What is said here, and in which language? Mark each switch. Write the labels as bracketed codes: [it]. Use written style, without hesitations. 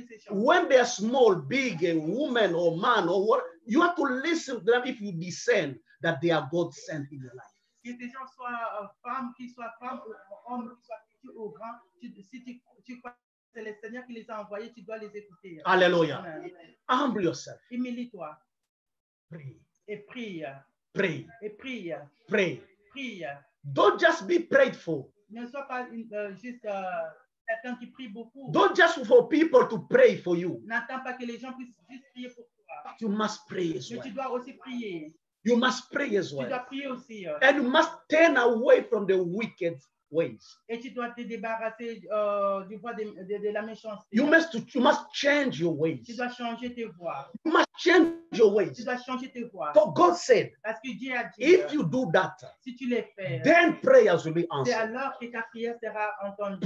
[en] When they are small, big, a woman or man or what, you have to listen to them if you discern that they are God sent in your life. [fr] Que ces gens soient femmes, qu'ils soient femmes ou hommes, qu'ils soient petits ou grands, si tu crois. C'est le Seigneur qui les a envoyés, tu dois les écouter. [en] Alléluia. Amen. Humble yourself. [fr] Humilie-toi. [en] Pray. [fr] Et prie. [en] Pray. [fr] Et prie. [en] Pray. [fr] Prie. [en] Don't just be prayed for. [fr] Ne sois pas juste quelqu'un qui prie beaucoup. [en] Don't just for people to pray for you. [fr] N'attends pas que les gens puissent juste prier pour toi. [en] But you must pray as well. [fr] Mais tu dois aussi prier. [en] You must pray as well. [fr] Tu dois prier aussi. [en] And you must turn away from the wicked ways. [fr] Et tu dois te débarrasser du voie de la méchanceté. [en] You must change your ways. [fr] Tu dois changer tes voies. [en] You must change your ways. [fr] Tu dois changer tes voies. [en] For God said, [fr] parce que Dieu a dit, [en] if you do that, [fr] si tu les fais, [en] then prayers will be answered. [fr] C'est alors que ta prière sera entendue.